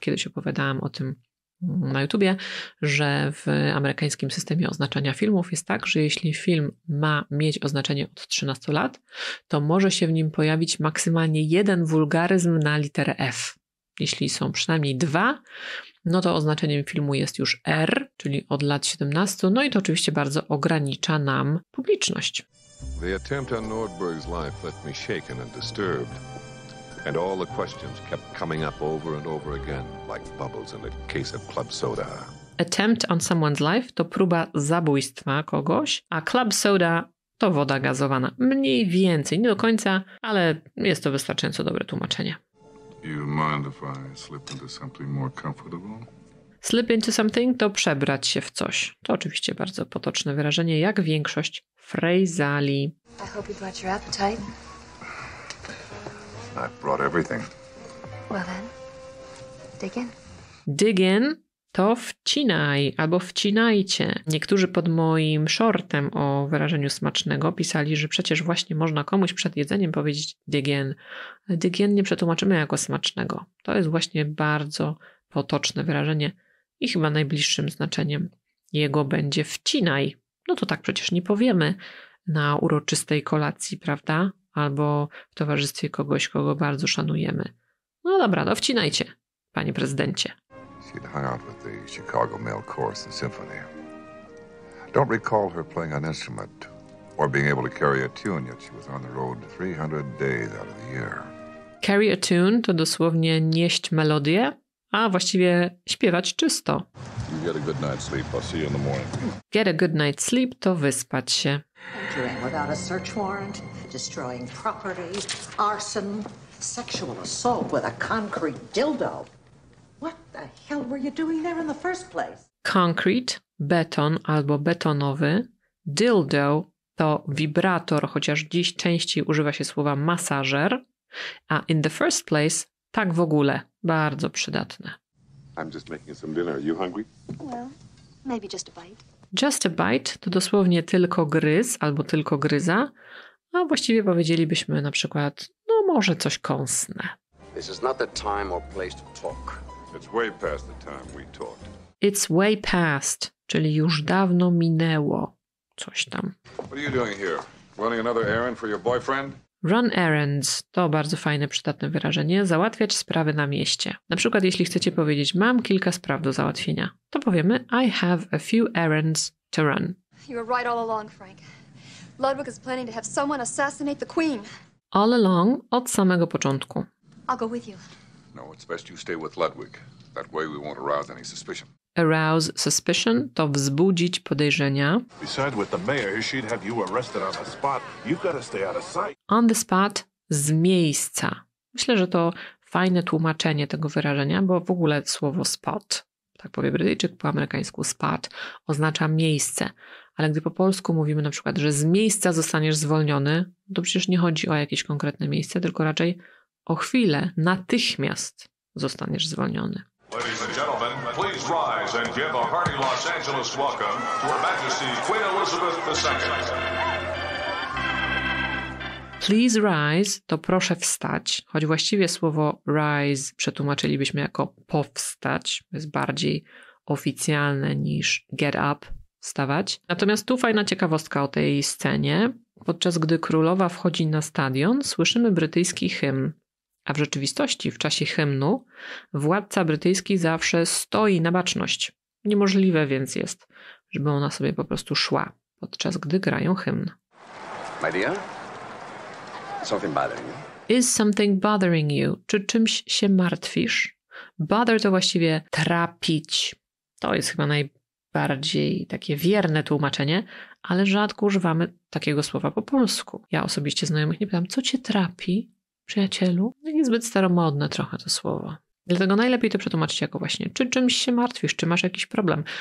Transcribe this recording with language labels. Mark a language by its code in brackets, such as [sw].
[pl] Kiedyś opowiadałam o tym na YouTubie, że w amerykańskim systemie oznaczania filmów jest tak, że jeśli film ma mieć oznaczenie od 13 lat, to może się w nim pojawić maksymalnie jeden wulgaryzm na literę F. Jeśli są przynajmniej dwa, no to oznaczeniem filmu jest już R, czyli od lat 17, no i to oczywiście bardzo ogranicza nam publiczność. [en] The attempt on Nordberg's life left me shaken and disturbed. And all the questions kept coming up over and over again, like bubbles in a case of club soda. Attempt on someone's life [pl] to próba zabójstwa kogoś, a club soda to woda gazowana. Mniej więcej, nie do końca, ale jest to wystarczająco dobre tłumaczenie. [en] You mind if I slip into something more comfortable? Slip into something [pl] to przebrać się w coś. To oczywiście bardzo potoczne wyrażenie, jak większość frazali. [en] I hope you brought your appetite. I've brought everything. Well then, dig in. Dig in [pl] to wcinaj albo wcinajcie. Niektórzy pod moim shortem o wyrażeniu smacznego pisali, że przecież właśnie można komuś przed jedzeniem powiedzieć [en] dig in. Dig in [pl] nie przetłumaczymy jako smacznego. To jest właśnie bardzo potoczne wyrażenie i chyba najbliższym znaczeniem jego będzie wcinaj. No to tak przecież nie powiemy na uroczystej kolacji, prawda? Albo w towarzystwie kogoś, kogo bardzo szanujemy. No dobra, no wcinajcie, panie prezydencie. [en] She'd hung out with the Chicago Male Chorus and Symphony. Don't recall her playing an instrument or being able to carry a tune, yet she was on the road 300 days out of the year. Carry a tune [pl] to dosłownie nieść melodię, a właściwie śpiewać czysto. [en] You get a good night's sleep. I'll see you in the morning. Get a good night's sleep [pl] to wyspać się. [en] Entering without a search warrant, destroying property, arson, sexual assault with a concrete dildo. What the hell were you doing there in the first place? [pl] Concrete, beton albo betonowy, dildo to wibrator, chociaż dziś częściej używa się słowa masażer, a [en] in the first place [pl] tak w ogóle, bardzo przydatne. [en] I'm just making some dinner. Are you hungry? Well, maybe just a bite. Just a bite [pl] to dosłownie tylko gryz albo tylko gryza, a właściwie powiedzielibyśmy na przykład, no może coś kąsne. [en] This is not the time or place to talk. It's way past the time we talked. It's way past, [pl] czyli już dawno minęło coś tam. [en] What are you doing here? Running another errand for your boyfriend? Run errands [pl] to bardzo fajne, przydatne wyrażenie. Załatwiać sprawy na mieście. Na przykład jeśli chcecie powiedzieć, mam kilka spraw do załatwienia, to powiemy [en] I have a few errands to run. You were right all along, Frank. Ludwig is planning to have someone assassinate the queen. All along, [pl] od samego początku. [en] I'll go with you. No, it's best you stay with Ludwig. That way we won't arouse any suspicion. Arouse suspicion [pl] to wzbudzić podejrzenia. [en] Besides with the mayor, she'd have you arrested on the spot. You've got to stay out of sight. On the spot, [pl] z miejsca. Myślę, że to fajne tłumaczenie tego wyrażenia, bo w ogóle słowo spot, tak powie Brytyjczyk po amerykańsku spot, oznacza miejsce. Ale gdy po polsku mówimy na przykład, że z miejsca zostaniesz zwolniony, to przecież nie chodzi o jakieś konkretne miejsce, tylko raczej o chwilę, natychmiast zostaniesz zwolniony. [en] Ladies and gentlemen, please rise and give a hearty Los Angeles welcome to Her Majesty Queen Elizabeth II. Please rise [pl] to proszę wstać, choć właściwie słowo rise przetłumaczylibyśmy jako powstać, jest bardziej oficjalne niż [en] get up, [pl] wstawać. Natomiast tu fajna ciekawostka o tej scenie. Podczas gdy królowa wchodzi na stadion, słyszymy brytyjski hymn. A w rzeczywistości, w czasie hymnu, władca brytyjski zawsze stoi na baczność. Niemożliwe więc jest, żeby ona sobie po prostu szła, podczas gdy grają hymn. [en] My dear, something bothering you? Is something bothering you? [pl] Czy czymś się martwisz? Bother to właściwie trapić. To jest chyba najbardziej takie wierne tłumaczenie, ale rzadko używamy takiego słowa po polsku. Ja osobiście znajomych nie pytam, co cię trapi? Przyjacielu? Niezbyt staromodne trochę to słowo. Dlatego najlepiej to przetłumaczyć jako właśnie, czy czymś się martwisz, czy masz jakiś problem.